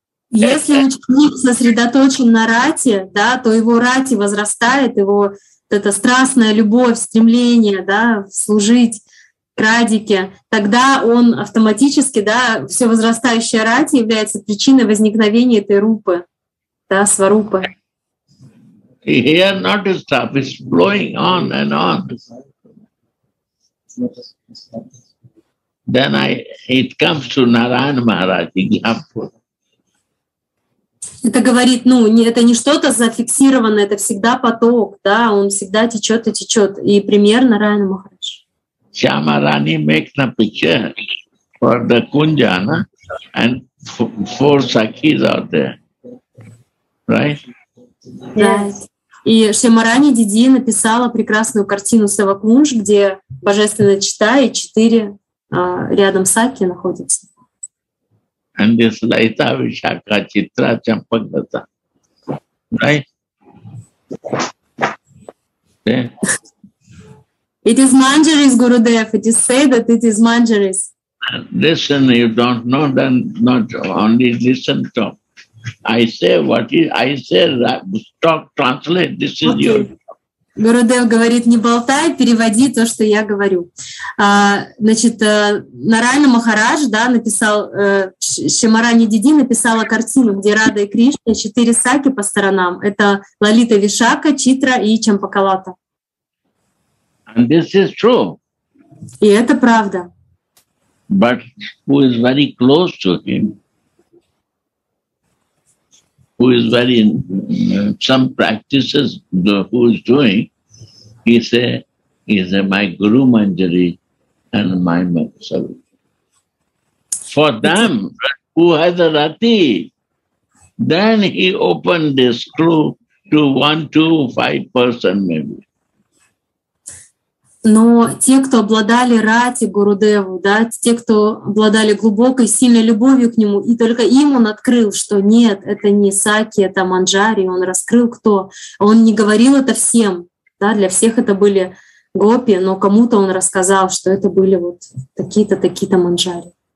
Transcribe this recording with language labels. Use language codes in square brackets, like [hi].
[ru] Если ученик сосредоточен на рати, да, то его рати возрастает, его вот эта страстная любовь, стремление, да, служить Радике, тогда он автоматически, да, все возрастающая рати является причиной возникновения этой рупы, да, сварупы. [en] He has not to stop, it's blowing on and on. Then it comes to Narayan Maharaj in Ghampur. [ru] Это говорит, ну, это не что-то зафиксированное, это всегда поток, да, он всегда течет и течет. И пример Narayan Maharaj. [en] Shyama Rani makes a picture for the Kunja, no? And four Sakhis out there. Right? Yes. [ru] И Шемарани Диди написала прекрасную картину Савакунж, где божественная чита и четыре рядом саки находятся. [en] And this Laita Vishaka Chitra Champagata. Right? Yeah. It is Manjaris, Gurudev. It is said that it is Manjaris. Listen, you don't know, then not only listen to. I say what is, I say, stop, translate, this is okay. Your [ru] Гурудев говорит, не болтай, переводи то, что я говорю. Значит, Нарайана Махарадж, да, написал, Шимарани Диди написала картину, где Рада и Кришна, четыре саки по сторонам. Это Лалита Вишака, Читра и Чампакалата. [en] And this is true. [ru] И это правда. [en] But who is very close to him, who is very in some practices, who is doing, he say, is my Guru Manjari and my Manjari. For them, who has a Rati, then he opened this clue to 1, 2, 5 persons maybe. [ru] Но те, кто обладали Рати Гурудеву, да, те, кто обладали глубокой, сильной любовью к нему, и только им он открыл, что нет, это не Саки, это Манджари, он раскрыл кто. Он не говорил это всем, да, для всех это были гопи, но кому-то он рассказал, что это были вот такие-то, такие-то Манджари.